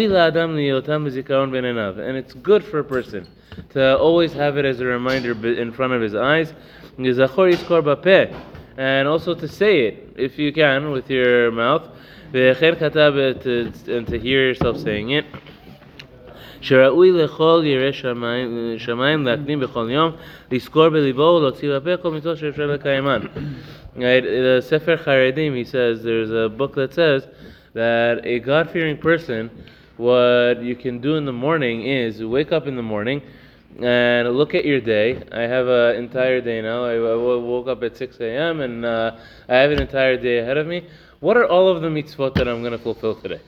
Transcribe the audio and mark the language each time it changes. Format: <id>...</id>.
<en>And it's good for a person to always have it as a reminder in front of his eyes. And also to say it, if you can, with your mouth. And to hear yourself saying it.</en> <he>שראוי לכל ירא שמיים להקדים בכל יום, לזכור בליבו ולהוציא בפה כל מצוות שאפשר לקיימן.</he> <en>ספר חרדים, he says, there's a book that says that a God-fearing person, what you can do in the morning is wake up in the morning and look at your day. I have an entire day now. I woke up at 6 a.m. and I have an entire day ahead of me. What are all of the mitzvot that I'm going to fulfill today?</en>